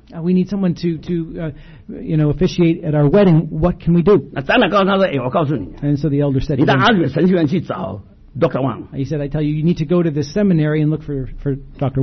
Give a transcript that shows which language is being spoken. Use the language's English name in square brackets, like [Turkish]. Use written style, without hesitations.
[English] We need someone to you know, officiate at our wedding. What can we do? [Chinese] 那长老告诉他说，哎，我告诉你。 [English] And so the elder said, [Chinese] 你到阿里神学院去找 Dr. [English] Wang. He said, I tell you, you need to go to this seminary and look for Dr.